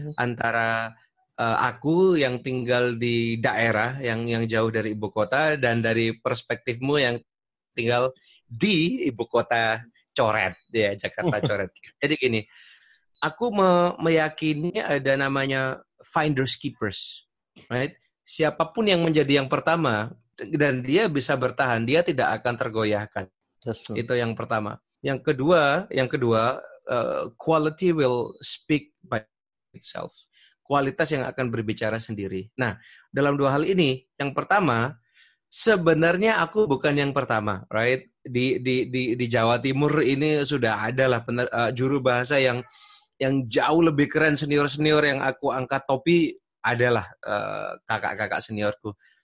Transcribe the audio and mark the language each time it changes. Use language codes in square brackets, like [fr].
[id] Antara aku yang tinggal di daerah yang jauh dari ibu kota dan dari perspektifmu yang tinggal di ibu kota Coret, ya, Jakarta Coret. Jadi gini, aku meyakini ada namanya [en] finders keepers, right? [id] Siapapun yang menjadi yang pertama dan dia bisa bertahan, dia tidak akan tergoyahkan. Itu yang pertama. Yang kedua, [en] quality will speak by itself. [id] Kualitas yang akan berbicara sendiri. Nah, dalam dua hal ini, yang pertama, sebenarnya aku bukan yang pertama, [en] right? [id] Di Jawa Timur ini sudah ada lah juru bahasa yang jauh lebih keren, senior-senior yang aku angkat topi adalah kakak-kakak seniorku.